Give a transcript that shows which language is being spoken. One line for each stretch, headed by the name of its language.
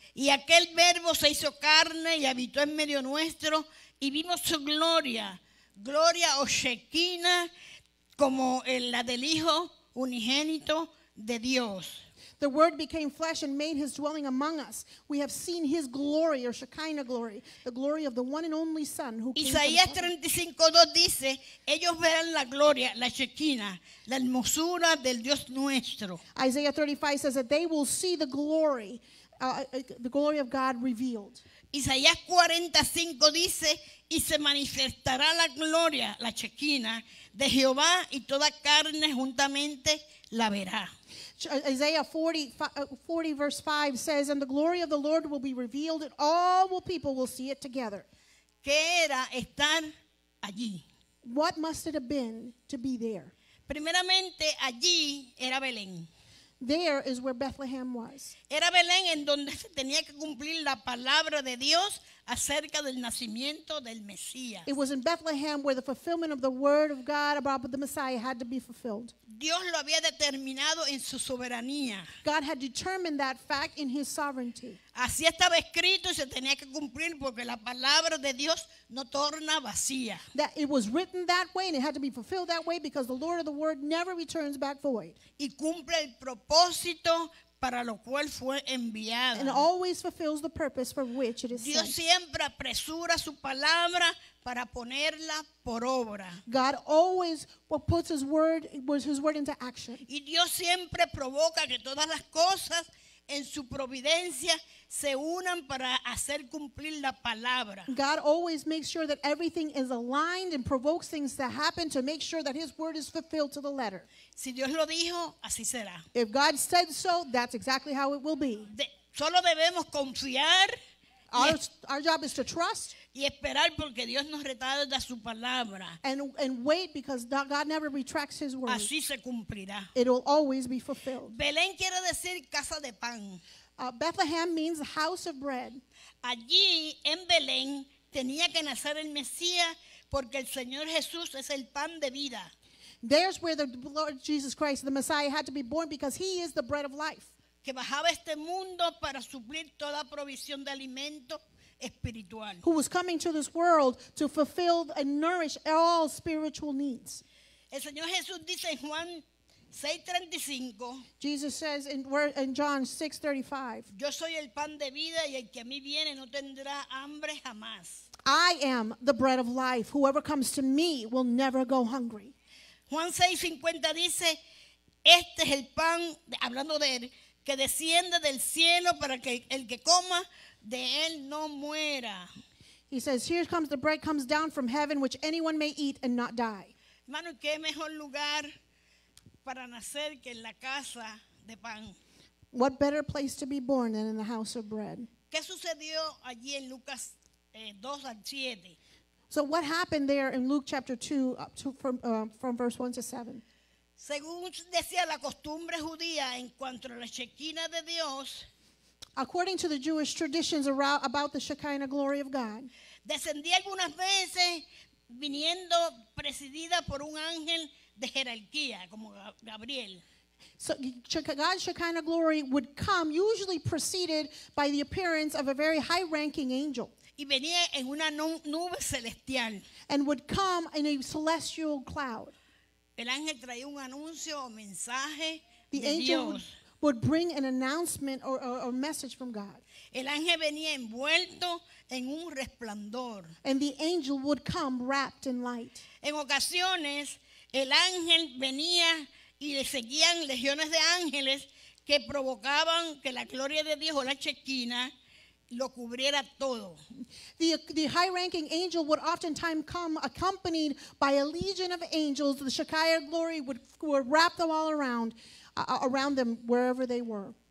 Spanish: Y aquel verbo se hizo carne y habitó en medio nuestro y vimos su gloria, gloria o Shekinah como la del Hijo unigénito de Dios.
English: The word became flesh and made his dwelling among us. We have seen his glory or Shekinah glory, the glory of the one and only Son who came.
Spanish: Isaías 35:2 dice, ellos verán la gloria, la Shekinah, la hermosura del Dios nuestro.
English: Isaiah 35 says that they will see the glory, the glory of God revealed.
Spanish: Isaías 45 dice, y se manifestará la gloria, la Shekinah, de Jehová, y toda carne juntamente la verá.
English: Isaiah 40 verse 5 says, and the glory of the Lord will be revealed, and all people will see it together.
Spanish: ¿Qué era estar allí?
English: What must it have been to be there?
Spanish: Primeramente, allí era Belén.
English: There is where Bethlehem was.
Spanish: Era Belén en donde se tenía que cumplir la palabra de Dios acerca del nacimiento del Mesías.
English: It was in Bethlehem where the fulfillment of the word of God about the Messiah had to be fulfilled.
Spanish: Dios lo había determinado en su soberanía.
English: God had determined that fact in his sovereignty.
Spanish: Así estaba escrito y se tenía que cumplir porque la palabra de Dios no torna vacía.
English: That it was written that way and it had to be fulfilled that way because the Lord of the word never returns back void.
Spanish: Y cumple el propósito para lo cual fue enviado.
English: And always fulfills the purpose for which it is sent.
Spanish: Dios siempre apresura su palabra para ponerla por obra.
English: God always puts his word into action.
Spanish: Y Dios siempre provoca que todas las cosas en su providencia se unan para hacer cumplir la palabra.
English: God always makes sure that everything is aligned and provokes things to happen to make sure that his word is fulfilled to the letter.
Spanish: Si Dios lo dijo, así será.
English: If God said so, that's exactly how it will be.
Spanish: Solo debemos confiar
English: Our job is to trust.
Spanish: Y esperar porque Dios nos retarda su palabra.
English: And wait because God never retracts his word.
Spanish: Así se cumplirá.
English: It will always be fulfilled.
Spanish: Belén quiere decir casa de pan.
English: Bethlehem means house of bread.
Spanish: Allí en Belén tenía que nacer el Mesías porque el Señor Jesús es el pan de vida.
English: There's where the Lord Jesus Christ, the Messiah, had to be born because he is the bread of life.
Spanish: Que bajaba este mundo para suplir toda provisión de alimento espiritual.
English: Who was coming to this world to fulfill and nourish all spiritual needs.
Spanish: El Señor Jesús dice en Juan 6:35.
English: Jesus says in John 6:35.
Spanish: Yo soy el pan de vida y el que a mí viene no tendrá hambre jamás.
English: I am the bread of life. Whoever comes to me will never go hungry.
Spanish: Juan 6:50 dice, este es el pan, hablando de él, que desciende del cielo para que el que coma de él no muera.
English: He says, here comes the bread comes down from heaven which anyone may eat and not die.
Spanish: Hermano, ¿qué mejor lugar para nacer que en la casa de pan?
English: What better place to be born than in the house of bread?
Spanish: ¿Qué sucedió allí en Lucas 2 al 7?
English: So what happened there in Luke chapter 2 from verse 1 to 7?
Spanish: Según decía la costumbre judía en cuanto a la Shekinah de Dios,
English: according to the Jewish traditions about the Shekinah glory of God,
Spanish: descendía algunas veces viniendo presidida por un ángel de jerarquía como Gabriel.
English: So God's Shekinah glory would come usually preceded by the appearance of a very high ranking angel.
Spanish: Y venía en una nube celestial.
English: And would come in a celestial cloud.
Spanish: El ángel traía un anuncio o mensaje de Dios.
English: The angel would bring an announcement or message from God.
Spanish: El ángel venía envuelto en un resplandor.
English: And the angel would come wrapped in light.
Spanish: En ocasiones, el ángel venía y le seguían legiones de ángeles que provocaban que la gloria de Dios o la Shekinah lo cubriera todo.
English: The high-ranking angel would oftentimes come accompanied by a legion of angels. The Shekinah glory would wrap them all around them wherever they were.